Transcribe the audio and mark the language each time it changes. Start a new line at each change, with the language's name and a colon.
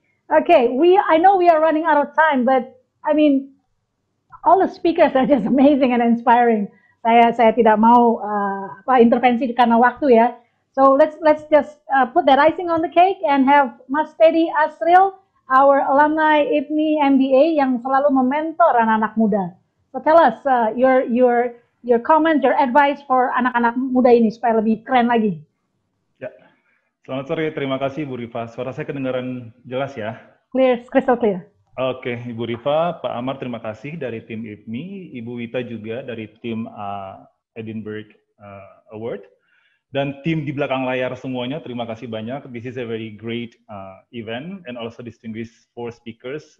English: Okay, I know we are running out of time, but I mean, all the speakers are just amazing and inspiring.
Indonesian: Saya tidak mau intervensi karena waktu ya.
English: So let's just put that icing on the cake and have Mas Teddy Asril, our alumni IPMI MBA
Indonesian: yang selalu mementor anak-anak muda.
English: So tell us your comments, your advice for
Indonesian: anak-anak muda ini supaya lebih keren lagi. Ya, selamat sore, terima kasih Bu Rifa. Suara saya kedengaran jelas ya?
English: Clear, crystal clear.
Indonesian: Oke, Ibu Rifa, Pak Amar, terima kasih dari tim IPMI, Ibu Wita juga dari tim Edinburgh Award, dan tim di belakang layar semuanya, terima kasih banyak.
English: This is a very great event, and also distinguished four speakers.